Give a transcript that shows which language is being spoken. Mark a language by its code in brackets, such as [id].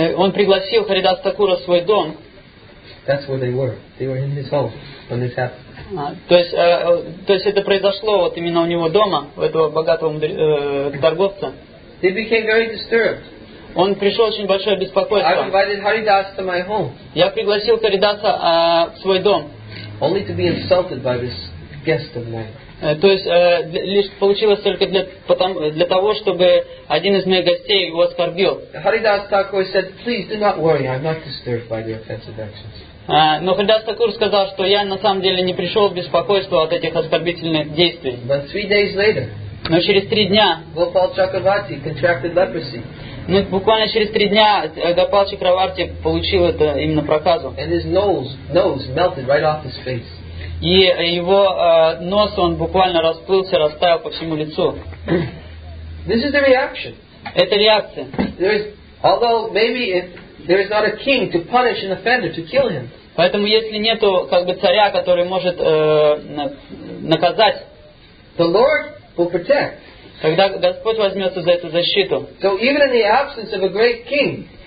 [ru] Он пригласил Харидас Такура в свой дом. [en] That's where they were. They were in his home when this happened. [ru] То есть это произошло вот именно у него дома, у этого богатого торговца. [en] They became very disturbed. [ru] Он пришел очень большое беспокойство. [en] I invited Haridas to my home. [ru] Я пригласил Харидаса в свой дом. [en] Only to be insulted by this guest of mine. [ru] То есть лишь получилось только для того, чтобы один из моих гостей его оскорбил. [en] Haridas Thakur said, "Please do not worry. I'm not disturbed by the offensive actions." [ru] Но Haridas Thakur сказал, что я на самом деле не пришел в беспокойство от этих оскорбительных действий. [en] But 3 days later. [ru] Но через 3 дня. [en] Gopal Chakravarti contracted leprosy. [ru] Ну буквально через 3 дня Гопал Чакраварти получил это именно проказу. [en] And his nose melted right off his face. [ru] И его нос, он буквально расплылся, растаял по всему лицу. [en] This is the reaction. [ru] Это реакция. [en] There is, although maybe if there is not a king to punish an offender, to kill him. [ru] Поэтому если нету как бы царя, который может наказать, [en] the Lord will protect. [ru] Тогда Господь возьмется за эту защиту. [en] So even in the absence of a great king,